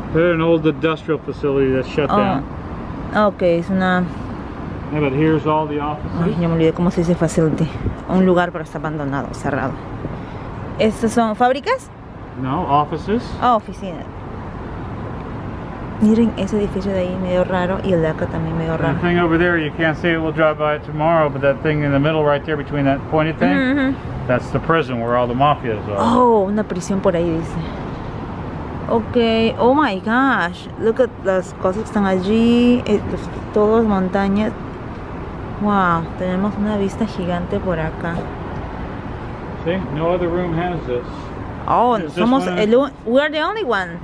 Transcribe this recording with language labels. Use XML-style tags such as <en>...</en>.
<en>They're an old industrial facility that's shut down. Okay, it's una. Yeah, but here's all the offices.</en> <es>Ay, ya me olvidé cómo se dice facility. Un lugar pero está abandonado, cerrado. ¿Estas son fábricas?</es> <en>No, offices.</en> <es>Oh, oficinas. Miren ese edificio de ahí, medio raro, y el de acá también medio raro.</es> <en>The thing over there, you can't see it, we'll drive by it tomorrow, but that thing in the middle right there between that pointed thing, that's the prison where all the mafias are.</en> <es>Oh, una prisión por ahí, dice.</es> <en>Okay, oh my gosh, look at</en> <es>las cosas que están allí, todas montañas. Wow, tenemos una vista gigante por acá.</es> <en>See, no other room has this. Oh,</en> <es>somos el único,</es> <en>we are the only one.</en>